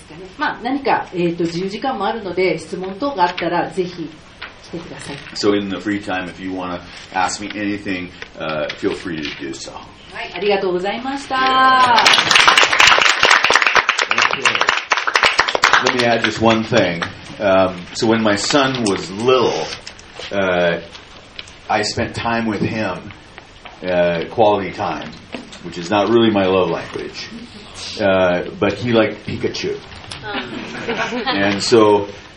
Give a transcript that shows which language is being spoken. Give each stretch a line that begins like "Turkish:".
English: So in the free time, if you want to ask me anything, feel free to do so.
Japanese: はい、ありがとうございました。
English: Let me add just one thing. So when my son was little, I spent time with him, quality time, which is not really my love language. But he liked Pikachu. And so...